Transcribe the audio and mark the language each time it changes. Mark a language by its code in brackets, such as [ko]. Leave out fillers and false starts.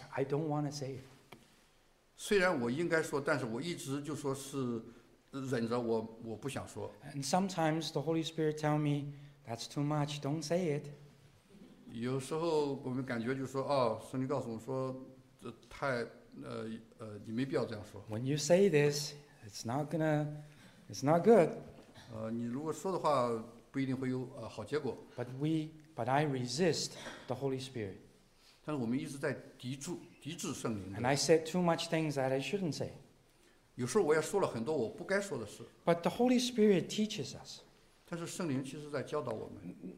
[en] I don't want to say it. [zh] 虽然我应该说，但是我一直就说是忍着我，我不想说。 [en] And sometimes the Holy Spirit tells me that's too much. Don't say it. [zh] 有时候我们感觉就说，哦，圣灵告诉我说，这太你没必要这样说。 [en] When you say this, it's not good. [zh] 你如果说的话，不一定会有好结果。 [en] But I resist the Holy Spirit. [zh] 但是我们一直在抵制圣灵。 [en] And I said too much things that I shouldn't say. [zh] 有时候我也说了很多我不该说的事。 [en] But the Holy Spirit teaches us. [zh] 但是圣灵其实在教导我们。